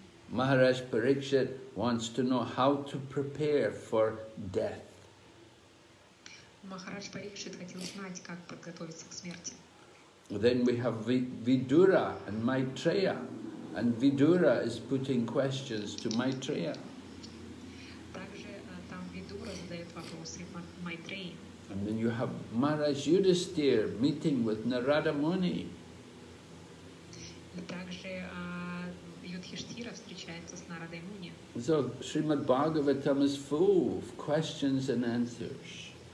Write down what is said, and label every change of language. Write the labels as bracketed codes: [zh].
[en] Maharaj Parikshit wants to know how to prepare for death. [ru] Махарадж Парикшит хотел знать, как подготовиться к смерти. [en] Then we have Vidura and Maitreya, and Vidura is putting questions to Maitreya. [ru] Также там Vidura задает вопросы Maitreya. [en] And then you have Maharaj Yudhisthira meeting with Narada Muni. [ru] И также Юдхиштхира встречается с Нарадой Муни. [en] So Srimad Bhagavatam is full of questions and answers.